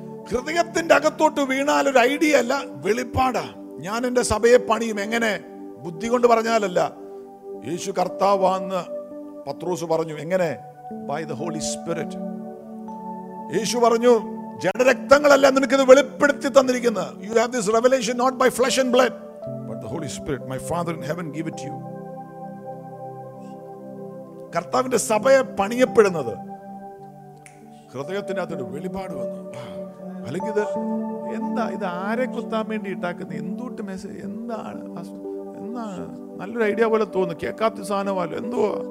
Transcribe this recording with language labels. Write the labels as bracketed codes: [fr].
[ml] ഹൃദയത്തിന്റെ അകത്തോട്ട് വീണാൽ ഒരു ഐഡിയ അല്ല, വെളിപ്പാടാ. ഞാൻ എന്റെ സഭയെ പണിയും, എങ്ങനെ? ബുദ്ധി കൊണ്ട് പറഞ്ഞാലല്ല, യേശു കർത്താവാന്ന് പത്രോസ് പറഞ്ഞു. എങ്ങനെ? By the Holy Spirit. യേശു പറഞ്ഞു, ജഡരക്തങ്ങളല്ല നിനക്ക് ഇത് വെളിപ്പെടുത്തി തന്നിരിക്കുന്നത്. [en] You have this revelation not by flesh and blood, but the Holy Spirit. My Father in heaven give it to you. [ml] കർത്താവിന്റെ സഭയെ പണിയപ്പെടുന്നത് ഹൃദയത്തിന് അതൊരു വെളിപാട് വന്നു. അല്ലെങ്കിൽ ഇത് എന്താ, ഇത് ആരെ കുത്താൻ വേണ്ടി ഇട്ടാക്കുന്ന, എന്തോട്ട് മെസ്സേജ്, എന്താണ്, എന്താണ്, നല്ലൊരു ഐഡിയ പോലെ തോന്നുന്നു, കേൾക്കാത്ത സാധനമല്ലോ, എന്തോ.